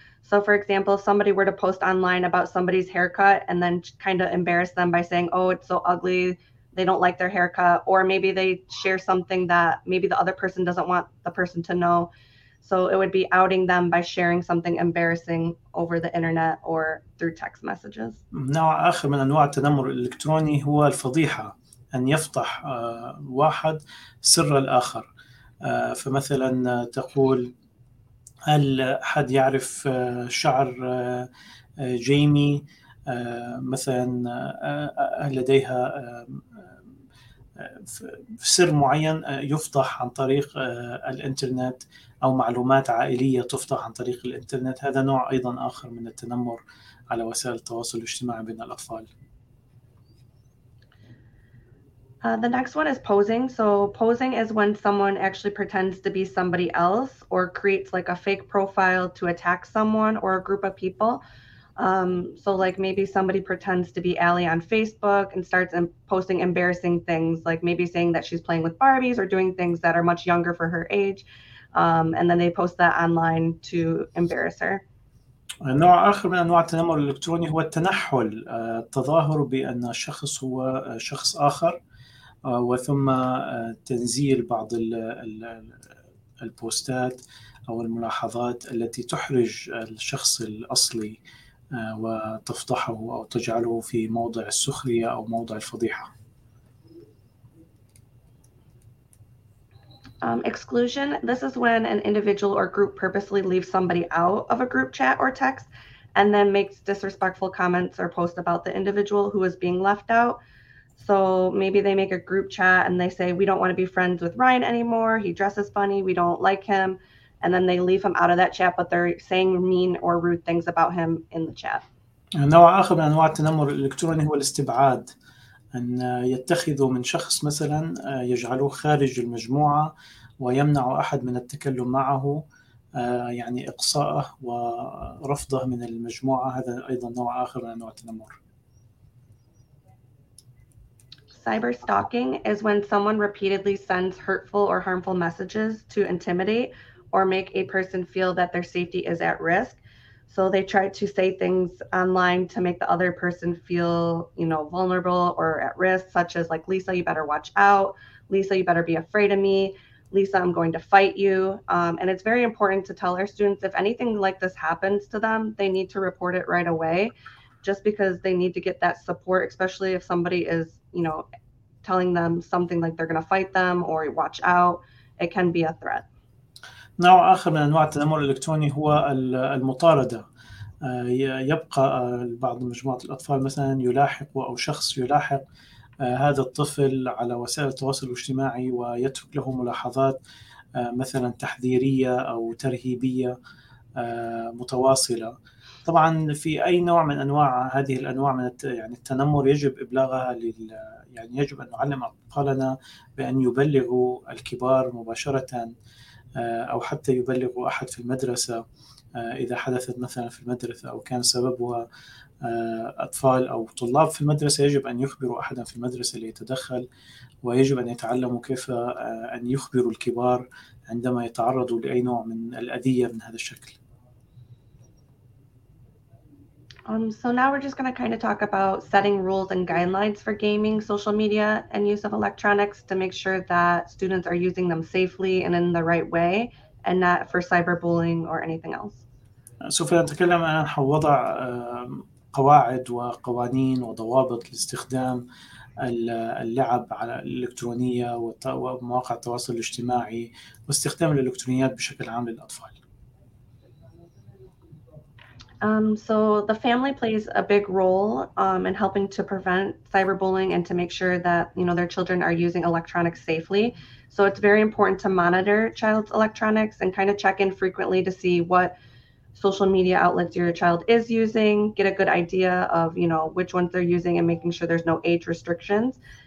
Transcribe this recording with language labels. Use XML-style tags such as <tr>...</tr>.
<en>So for example, if somebody were to post online about somebody's haircut and then kind of embarrass them by saying, oh, it's so ugly, they don't like their haircut, or maybe they share something that maybe the other person doesn't want the person to know. So it would be outing them by sharing something embarrassing over the internet or through text messages.</en> <ar>نوع آخر من أنواع التنمر الإلكتروني هو الفضيحة، أن يفضح واحد سر الآخر. فمثلا تقول، هل أحد يعرف شعر جيمي؟ مثلا لديها سر معين يفضح عن طريق الإنترنت، أو معلومات عائلية تفضح عن طريق الإنترنت. هذا نوع أيضا آخر من التنمر على وسائل التواصل الاجتماعي بين الأطفال.</ar> <en>The next one is posing. So posing is when someone actually pretends to be somebody else or creates like a fake profile to attack someone or a group of people. So like maybe somebody pretends to be Allie on Facebook and starts posting embarrassing things, like maybe saying that she's playing with Barbies or doing things that are much younger for her age. And then they post that online to embarrass her.</en> <ar>النوع آخر من أنواع التنمر الإلكتروني هو التنحل، التظاهر بأن الشخص هو شخص آخر، وثم تنزيل بعض البوستات أو الملاحظات التي تحرج الشخص الأصلي وتفضحه أو تجعله في موضع السخرية أو موضع الفضيحة.</ar> <en>Exclusion. This is when an individual or group purposely leaves somebody out of a group chat or text and then makes disrespectful comments or posts about the individual who is being left out. So maybe they make a group chat and they say, we don't want to be friends with Ryan anymore. He dresses funny. We don't like him. And then they leave him out of that chat, but they're saying mean or rude things about him in the chat.</en> <ar>النوع آخر من أنواع التنمر الإلكتروني هو الاستبعاد، أن يتخذوا من شخص مثلا يجعلوه خارج المجموعة ويمنع أحد من التكلم معه، يعني إقصاءه ورفضه من المجموعة. هذا أيضا نوع آخر من أنواع التنمر.</ar> <en>Cyber stalking is when someone repeatedly sends hurtful or harmful messages to intimidate or make a person feel that their safety is at risk. So they try to say things online to make the other person feel, you know, vulnerable or at risk, such as like, Lisa, you better watch out. Lisa, you better be afraid of me. Lisa, I'm going to fight you. And it's very important to tell our students if anything like this happens to them, they need to report it right away, just because they need to get that support, especially if somebody is, you know, telling them something like they're going to fight them or watch out. It can be a threat.</en> <ar>نوع آخر من أنواع التنمر الإلكتروني هو المطاردة. يبقى بعض مجموعات الأطفال مثلاً يلاحق أو شخص يلاحق هذا الطفل على وسائل التواصل الاجتماعي ويترك له ملاحظات مثلاً تحذيرية أو ترهيبية متواصلة. طبعاً في أي نوع من أنواع هذه الأنواع من يعني التنمر يجب إبلاغها لل يعني يجب أن نعلم أطفالنا بأن يبلغوا الكبار مباشرةً أو حتى يبلغ أحد في المدرسة إذا حدثت مثلا في المدرسة أو كان سببها أطفال أو طلاب في المدرسة يجب أن يخبروا أحدا في المدرسة ليتدخل ويجب أن يتعلموا كيف أن يخبروا الكبار عندما يتعرضوا لأي نوع من الأذية من هذا الشكل.</ar> <en>So now we're just going to kind of talk about setting rules and guidelines for gaming, social media, and use of electronics to make sure that students are using them safely and in the right way, and not for cyberbullying or anything else.</en> <ar>سوف نتكلم عن وضع قواعد وقوانين وضوابط لاستخدام اللعب على الإلكترونية ومواقع التواصل الاجتماعي واستخدام الإلكترونيات بشكل عام للأطفال.</ar> <en>So the family plays a big role in helping to prevent cyberbullying and to make sure that, you know, their children are using electronics safely. So it's very important to monitor child's electronics and kind of check in frequently to see what social media outlets your child is using, get a good idea of, you know, which ones they're using and making sure there's no age restrictions.</en>